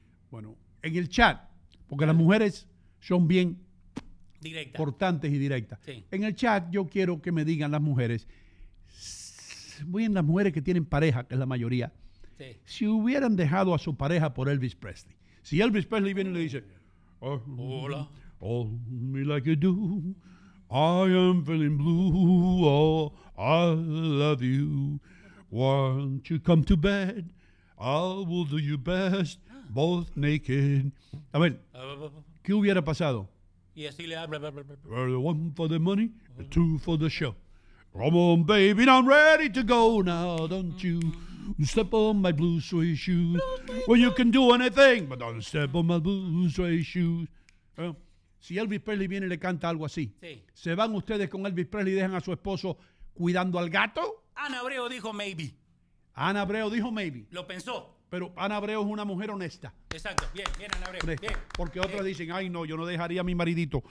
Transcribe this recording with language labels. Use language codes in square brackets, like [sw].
[es] Bueno, en el chat, porque las mujeres son bien directa. Cortantes y directas. Sí. En el chat yo quiero que me digan las mujeres, muy bien, las mujeres que tienen pareja, que es la mayoría, sí, si hubieran dejado a su pareja por Elvis Presley. Si Elvis Presley viene y le dice, hola, [en] oh, me like you do, I am feeling blue, oh, I love you, won't you come to bed, I will do your best, both naked. [es] A ver, ¿qué hubiera pasado? Y así le habla. [en] The one for the money, the two for the show. Come on, baby, I'm ready to go now, don't you? Step on my blue suede shoes. Well, you can do anything, but don't step on my blue suede shoes. Well, [es] si Elvis Presley viene y le canta algo así, sí, ¿se van ustedes con Elvis Presley y dejan a su esposo cuidando al gato? Ana Abreu dijo maybe. Ana Abreu dijo maybe. Lo pensó. Pero Ana Abreu es una mujer honesta. Exacto. Bien, bien, Ana Abreu. Honesta. Bien. Porque otras dicen, ay, no, yo no dejaría a mi maridito.